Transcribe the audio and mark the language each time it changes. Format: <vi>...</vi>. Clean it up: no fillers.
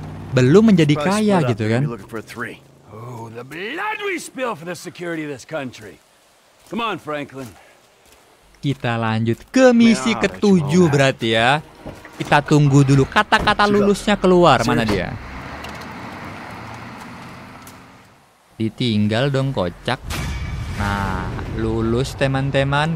<id>Belum menjadi kaya gitu kan.</id> <en>Oh, the blood we spill for the security of this country. Come on, Franklin.</en> <id>Kita lanjut ke misi ketujuh berarti ya. Kita tunggu dulu kata-kata lulusnya keluar. Mana dia? Ditinggal dong kocak. Nah, lulus teman-teman.</id>